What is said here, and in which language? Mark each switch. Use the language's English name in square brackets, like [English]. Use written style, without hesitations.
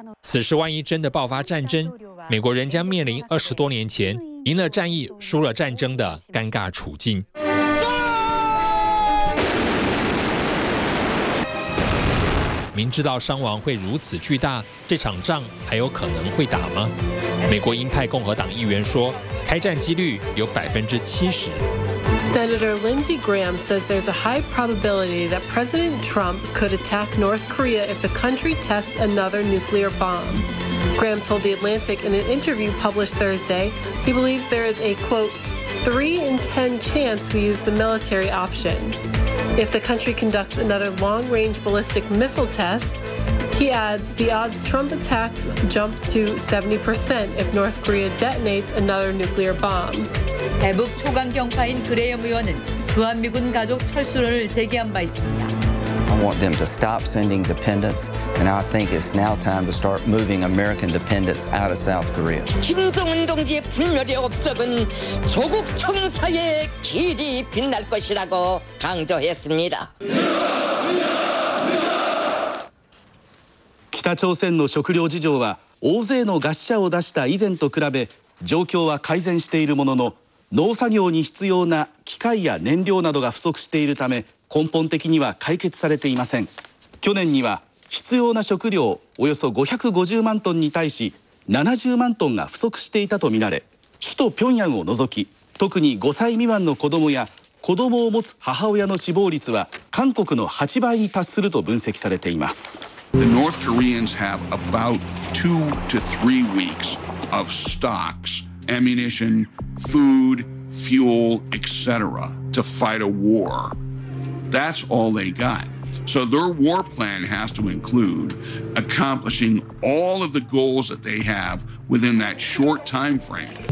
[Chinese] 此时万一真的爆发战争，美国仍将面临20多年前赢了战役输了战争的尴尬处境。明知道伤亡会如此巨大，这场仗还有可能会打吗？美国鹰派共和党议员说，开战几率有70%。 [English] Senator Lindsey Graham says there's a high probability that President Trump could attack North Korea if the country tests another nuclear bomb. Graham told The Atlantic in an interview published Thursday, he believes there is a, quote, 3 in 10 chance we use the military option. If the country conducts another long-range ballistic missile test, he adds, the odds Trump attacks jump to 70% if North Korea detonates another nuclear bomb. [Korean] 대북 초강경파인 그레이엄 의원은 주한미군 가족 철수를 제기한 바 있습니다. [English] I want them to stop sending dependents, and I think it's now time to start moving American dependents out of South Korea. [Korean] 김정은 동지의 분열의 업적은 조국 청사에 길이 빛날 것이라고 강조했습니다. [Japanese] 北朝鮮の食糧事情は大勢の餓死者を出した以前と比べ状況は改善しているものの農作業に必要な機械や燃料などが不足しているため根本的には解決されていません。去年には必要な食料およそ550万トンに対し70万トンが不足していたとみられ、首都平壌を除き特に5歳未満の子どもや子どもを持つ母親の死亡率は韓国の8倍に達すると分析されています。 [English] The North Koreans have about 2 to 3 weeks of stocks, ammunition, food, fuel, etc. to fight a war. That's all they got. So their war plan has to include accomplishing all of the goals that they have within that short time frame.